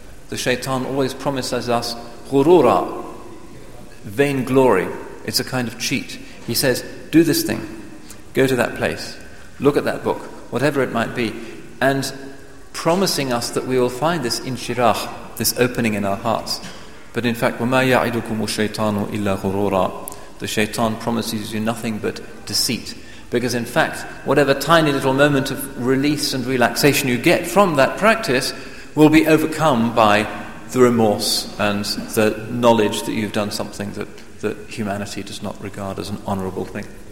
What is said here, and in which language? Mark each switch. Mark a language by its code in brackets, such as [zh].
[en] The shaitan always promises us ghurura, vainglory. It's a kind of cheat. He says, do this thing, go to that place, look at that book, whatever it might be, and promising us that we will find this inshirah, this opening in our hearts. But in fact, [ar] وَمَا يَعِدُكُمُ الشَّيْطَانُ إِلَّا غُرُورًا. [en] The shaitan promises you nothing but deceit. Because in fact, whatever tiny little moment of release and relaxation you get from that practice will be overcome by the remorse and the knowledge that you've done something that humanity does not regard as an honorable thing.